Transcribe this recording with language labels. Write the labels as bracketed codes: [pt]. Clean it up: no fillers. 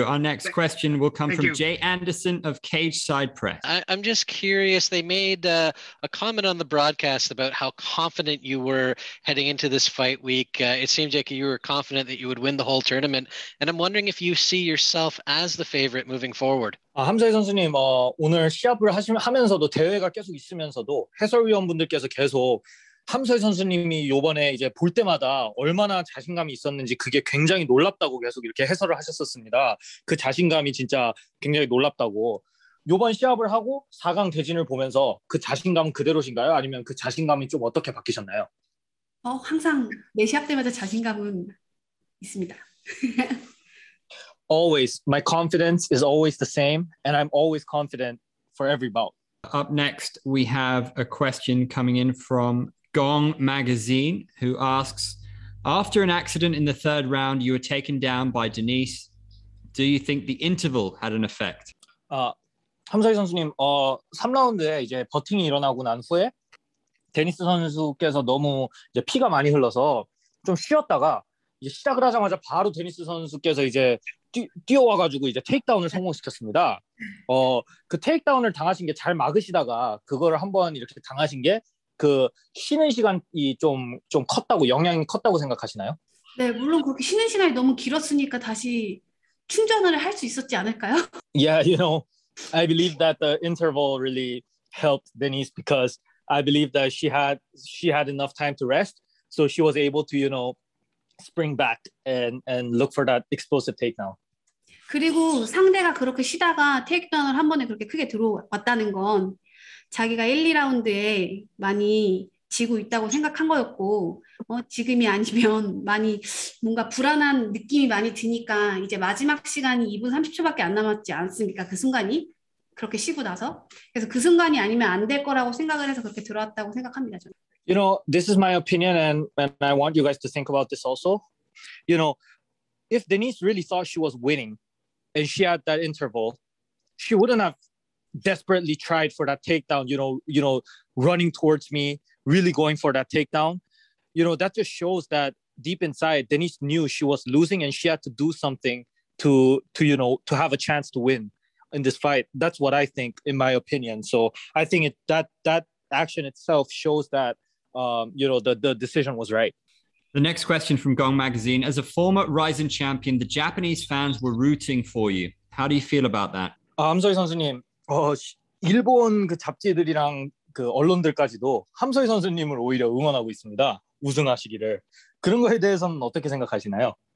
[en] Our next question will come from Jay Anderson of Cage Side Press. I'm just curious. They made a comment on the broadcast about how confident you were heading into this fight week. It seems like you were confident that you would win the whole tournament. And I'm wondering if you see yourself as the favorite moving forward. [ko] 함사희 선수님, 오늘 시합을 하면서도 대회가 계속 있으면서도 해설위원분들께서 계속 함서희 선수님이 이번에 이제 볼 때마다 얼마나 자신감이 있었는지 그게 굉장히 놀랍다고 계속 이렇게 해설을 하셨었습니다. 그 자신감이 진짜 굉장히 놀랍다고. 이번 시합을 하고 4강 대진을 보면서 그 자신감 그대로신가요? 아니면 그 자신감이 좀 어떻게 바뀌셨나요? 항상 매 시합 때마다 자신감은 있습니다. [en] Always. My confidence is always the same and I'm always confident for every bout. Up next, we have a question coming in from Gong Magazine, who asks, after an accident in the third round, you were taken down by Denice. Do you think the interval had an effect? [ko] 함사희 선수님, 3라운드에 이제 버팅이 일어나고 난 후에 데니스 선수께서 너무 이제 피가 많이 흘러서 좀 쉬었다가 이제 시작을 하자마자 바로 데니스 선수께서 이제 뛰어와가지고 이제 테이크다운을 성공시켰습니다. 그 테이크다운을 당하신 게 잘 막으시다가 그거를 한번 이렇게 당하신 게 그 쉬는 시간이 좀 컸다고 영향이 컸다고 생각하시나요? 네, 물론 그렇게 쉬는 시간이 너무 길었으니까 다시 충전을 할 수 있었지 않을까요? [en] Yeah, you know, I believe that the interval really helped Denise because I believe that she had enough time to rest, so she was able to, you know, spring back and look for that explosive takedown. [ko] 그리고 상대가 그렇게 쉬다가 테이크다운을 한 번에 그렇게 크게 들어왔다는 건 자기가 1, 2라운드에 많이 지고 있다고 생각한 거였고 지금이 아니면 많이 뭔가 불안한 느낌이 많이 드니까 이제 마지막 시간이 2분 30초밖에 안 남았지 않습니까? 그 순간이 그렇게 쉬고 나서 그래서 그 순간이 아니면 안 될 거라고 생각을 해서 그렇게 들어왔다고 생각합니다. 저는. [en] You know, this is my opinion and I want you guys to think about this also. You know, if Denise really thought she was winning and she had that interval, she wouldn't have desperately tried for that takedown, you know, running towards me, really going for that takedown. You know, that just shows that deep inside, Denise knew she was losing and she had to do something to you know, to have a chance to win in this fight. That's what I think, in my opinion. So I think that action itself shows that, you know, the decision was right. The next question from Gong Magazine. As a former Ryzen champion, the Japanese fans were rooting for you. How do you feel about that? [ko] 함사희 선수님. 일본 그 잡지들이랑 그 언론들까지도 함서희 선수님을 오히려 응원하고 있습니다. 우승하시기를. 그런 거에 대해서는 어떻게 생각하시나요?